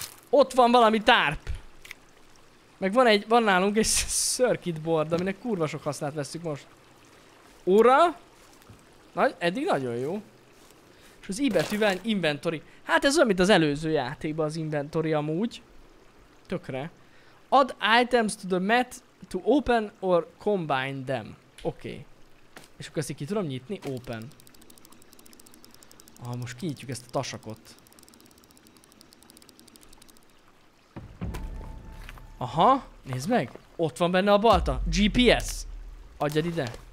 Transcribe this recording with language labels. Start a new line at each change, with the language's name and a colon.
Hungarian: Ott van valami tárp. Meg van egy, van nálunk egy circuit board, aminek kurva sok hasznát veszük most. Ura? Eddig nagyon jó. És az I betűvel inventory. Hát ez olyan, mint az előző játékban az inventory amúgy. Tökre.
English: Add items to the mat to open or combine them.
Hungarian: Oké. Okay. És akkor ezt ki tudom nyitni? Open. Ah, most kinyitjuk ezt a tasakot. Aha, nézd meg. Ott van benne a balta. GPS. Adjad ide.